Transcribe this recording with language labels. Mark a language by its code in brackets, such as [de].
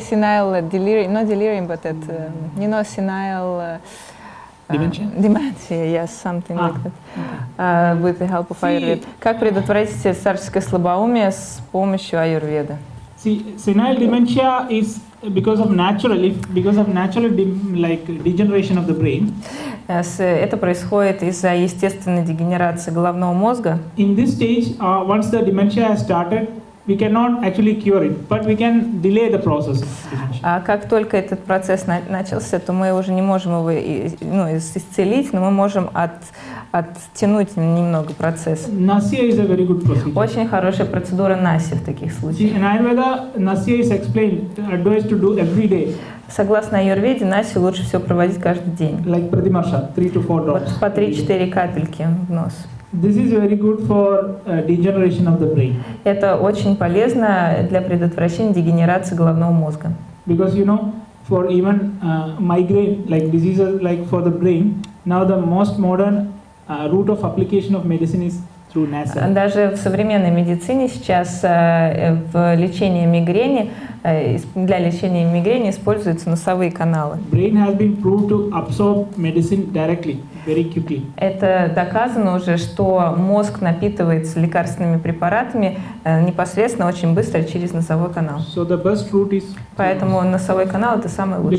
[en] Senile delirium, not delirium, but that you know, senile. Dementia? Dementia, yes, something like that. Okay. With the help of Аюрведа. [ru] Как предотвратить старческое слабоумие с помощью Аюрведы? [en] See, senile dementia is because of natural, like degeneration of the brain. [ru] Это происходит из-за естественной дегенерации головного мозга. [en] In this stage, once the dementia has started, we cannot actually cure it, but we can delay the process. [ru] А как только этот процесс начался, то мы уже не можем его, ну, исцелить, но мы можем оттянуть немного процесс. [en] Nasya is a very good procedure. [ru] Очень хорошая процедура Nasya в таких случаях. [en] In Ayurveda, Nasya is explained, advised to do every day. [ru] Согласно Аюрведе, Nasya лучше всего проводить каждый день. [en] Like pratimasha, 3-4 drops. [ru] Вот по 3-4 капельки в нос. [en] This is very good for degeneration of the brain. [ru] Это очень полезно для предотвращения дегенерации головного мозга. [en] Because you know, for even migraine, like diseases, like for the brain, now the most modern route of application of medicine is through NASA. [ru] Даже в современной медицине сейчас в лечении мигрени для лечения мигрени используются носовые каналы. [en] Brain has been proved to absorb medicine directly. Very quickly. [ru] Это доказано уже, что мозг напитывается лекарственными препаратами непосредственно очень быстро через носовой канал. [en] So the best route is [ru] поэтому носовой канал это самый лучший